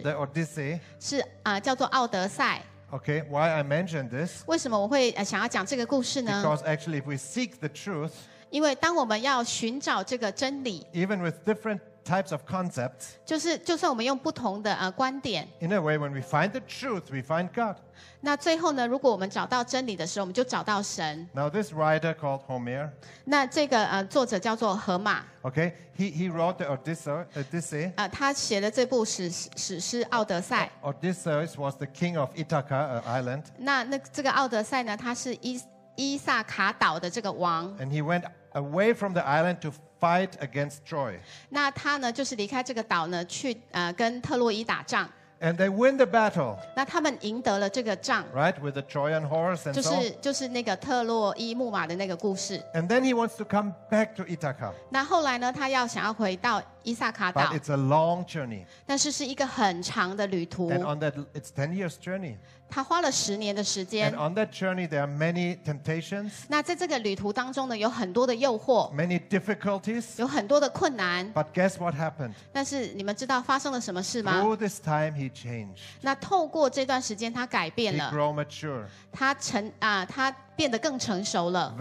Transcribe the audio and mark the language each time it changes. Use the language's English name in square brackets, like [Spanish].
[English] The Odyssey. [Chinese] 是叫做奥德赛。 [English] Okay, why I mentioned this? [Chinese] 为什么我会想要讲这个故事呢 [English] ？Because actually, if we seek the truth, [Chinese] 因为当我们要寻找这个真理 [English] ，even with different types of concepts, [Chinese] 就算我们用不同的观点 [English] ，in a way, when we find the truth, we find God. [Chinese] 那最后呢？如果我们找到真理的时候，我们就找到神。 [English] Now this writer called Homer. [Chinese] 那这个作者叫做荷马。 [English] Okay, he wrote the Odyssey. [Chinese] 他写了这部史诗《奥德赛》。 [English] Odysseus was the king of Ithaca, an island. [Chinese] 那这个奥德赛呢？他是伊萨卡岛的这个王。 [English] And he went away from the island to fight against Troy. [Chinese] 那他呢？就是离开这个岛呢，去跟特洛伊打仗。 [English] And they win the battle. [Chinese] 那他们赢得了这个仗 [English] right? With the Trojan horse and so. [Chinese] 就是那个特洛伊木马的那个故事。 [English] And then he wants to come back to Ithaca. [Chinese] 那后来呢？他要想要回到伊萨卡岛。 [English] But it's a long journey. [Chinese] 但是一个很长的旅途。 [English] And on that, it's 10 years journey. [Chinese] 他花了十年的时间。 [English] And on that journey, there are many temptations. [Chinese] 那在这个旅途当中呢，有很多的诱惑。 [English] Many difficulties. [Chinese] 有很多的困难。 [English] But guess what happened? [Chinese] 但是你们知道发生了什么事吗 [English] ？Through this time, he changed. [Chinese] 那透过这段时间，他改变了。 [English] He grew mature. [Chinese] 他变得更成熟了。